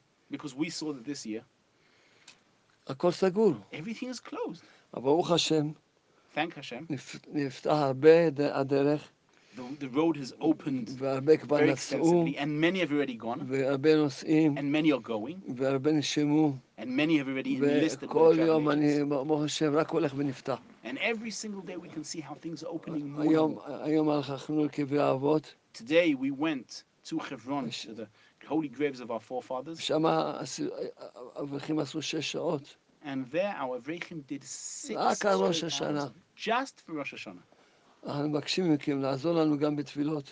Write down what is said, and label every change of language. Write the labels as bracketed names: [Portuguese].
[English] Because we saw that this year, everything is closed. [Hebrew] ברוך השם. [English] Thank Hashem. [Hebrew] נפתח הרבה הדרך. [English] The road has opened very extensively, and many have already gone. [Hebrew] והרבה נוסעים. [English] And many are going. [Hebrew] והרבה נשימו. [English] And many have already enlisted. [Hebrew] וכל יום אני, ברוך השם, רק הולך ונפתח. [English] And every single day we can see how things are opening more. [Hebrew] היום הלכנו לקברי האבות. [English] Today we went to Hebron, to the holy graves of our forefathers. [Hebrew] שם האברכים עשו 6 שעות. [English] And there our Avreichim did 6 hours just for Rosh Hashanah.